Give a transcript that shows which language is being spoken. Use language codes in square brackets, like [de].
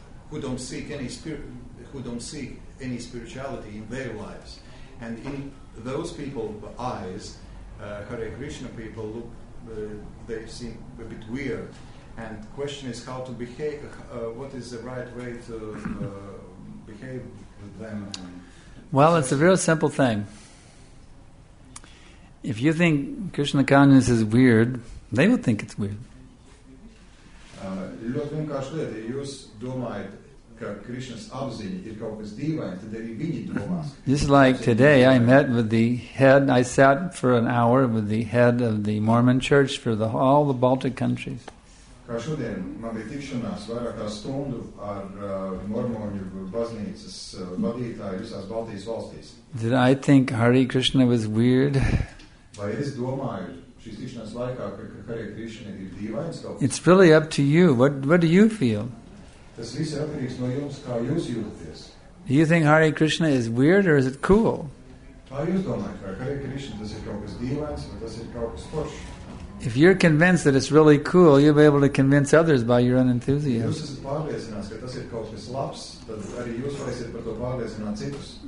[en] who don't seek any spirituality in their lives, and in those people eyes, Hare Krishna people look, they seem a bit weird, and question is how to behave, what is the right way to behave with them? Well, it's a real simple thing. If you think Krishna consciousness is weird, they will think it's weird. [lv] Ļoti vienkārši lieta, ja jūs domājat, ka Krishna's apziņa ir kaut kas dīvains, tad arī viņi domās. [en] Just like today, I met with the head, I sat for an hour with the head of the Mormon Church for all the Baltic countries. [lv] Kā šodien, man bija tikšanās vairākā stundu ar Mormoņu baznīcas vadītāju visās Baltijas valstīs. [en] Did I think Hare Krishna was weird? [lv] Vai es domāju šīs tikšanās laikā, ka Hare Krishna ir dīvains kaut kas? [en] It's really up to you. What do you feel? [lv] Tas viss ir atkarīgs no jums, kā jūs jūties. [en] Do you think Hare Krishna is weird or is it cool? [lv] Kā jūs domājat, vai Hare Krishna tas ir kaut kas dīvains vai tas ir kaut kas foršs? [en] If you're convinced that it's really cool, you'll be able to convince others by your own enthusiasm. [lv] Jūs esat pārliecināts, ka tas ir kaut kas labs, tad arī jūs varēsiet par to pārliecināt citus.